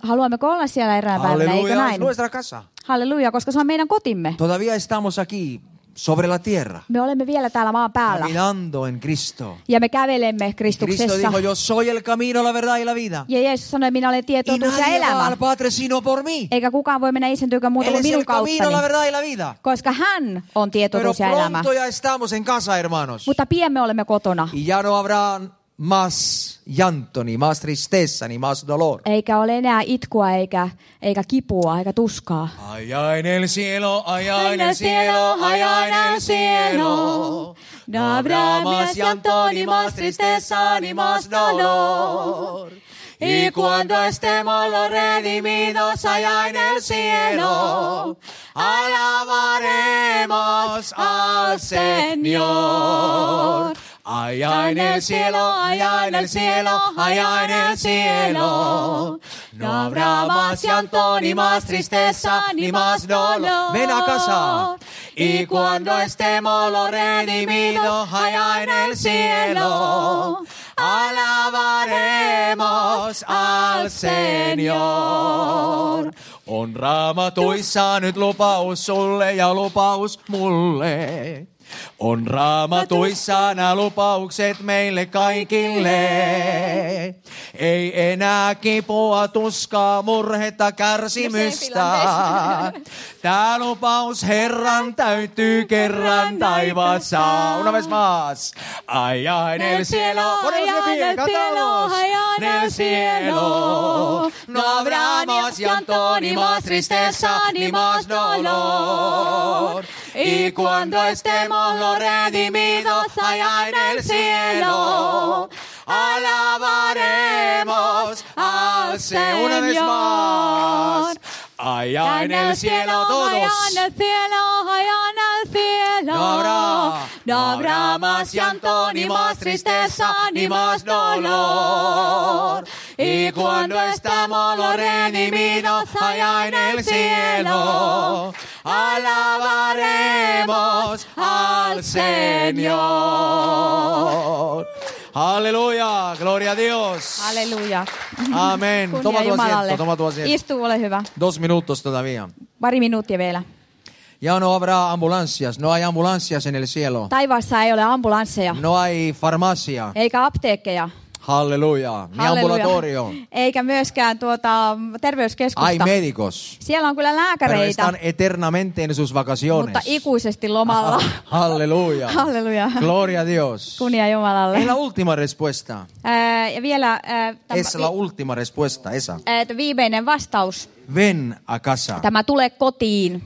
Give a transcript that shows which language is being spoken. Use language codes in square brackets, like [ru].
[fi] Haluamme olla siellä erään päivänä, eikö näin? [es] Es nuestra casa. [fi] Halleluja, koska se on meidän kotimme. [es] Todavía estamos aquí. sobre la tierra. [fi] Me olemme vielä täällä maan päällä. [es] Caminando en Cristo. [fi] Ja me kävelemme Kristuksessa. [es] Cristo dijo, yo soy el camino, la verdad y la vida. [fi] Ja Jeesus sanoi, minä olen tie, totuus ja elämä. [es] Y nadie va al Padre sino por mí. [fi] Eikä kukaan voi mennä isän tykö muuta kuin minun kauttani. [es] Él es el camino, la verdad y la vida. [fi] Koska hän on tie, totuus ja elämä. [es] Pero pronto ya estamos en casa, hermanos. [fi] Mutta pian me olemme kotona. [es] Y ya no habrá más llanto, ni más tristeza, ni más dolor. [fi] Eikä ole enää itkua, eikä kipua, eikä tuskaa. [es] Allá en el cielo, allá en el cielo, allá en el cielo. No habrá más llanto, ni más tristeza, ni más dolor. Y cuando estemos los redimidos allá en el cielo, alabaremos al Señor. Allá en el cielo, allá en el cielo, allá en el cielo. No habrá más llanto, ni más tristeza, ni más dolor. Ven a casa. Y cuando estemos los redimidos, allá en el cielo, alabaremos al Señor. [fi] On raamatuissa nyt lupaus sulle ja lupaus mulle. On raamatuissa nää lupaukset meille kaikille. Ei enää kipua, tuskaa, murhetta, kärsimystä. Tää lupaus Herran täytyy kerran taivaassa. [es] Una vez más. Ajain el cielo, ajain el cielo, ajain el cielo. No habrá más llanto, ni más tristeza, ni más dolor. Y cuando estemos los redimidos allá en el cielo, alabaremos al Señor. Una vez más. Allá en el cielo, allá en el cielo, allá en el cielo. No habrá más llanto, ni más tristeza, ni más dolor. Y cuando estemos los redimidos allá en el cielo, alabaremos al Señor. Aleluya, gloria a Dios. Aleluya. Amén. Toma tu asiento, toma tu asiento. [fi] Istu, ole hyvä. [es] Dos minutos todavía. [fi] Pari minuuttia vielä. [es] Ya no habrá ambulancias, no hay ambulancias en el cielo. [fi] Taivaassa ei ole ambulansseja. [es] No hay farmacia. [fi] Eikä apteekkeja. [es] Halleluja. Mi ambulatorio. [fi] Eikä myöskään terveyskeskusta. [es] Ai médicos. [fi] Siellä on kyllä lääkäreitä. [es] Pero están eternamente en sus vacaciones. [fi] Mutta ikuisesti lomalla. Halleluja. Halleluja. [es] Gloria a Dios. [fi] Kunnia Jumalalle. [es] Es la última respuesta. [fi] Ja vielä [es] es la última respuesta esa. [fi] Viimeinen vastaus. [es] Ven a casa. [fi] Tämä tulee kotiin.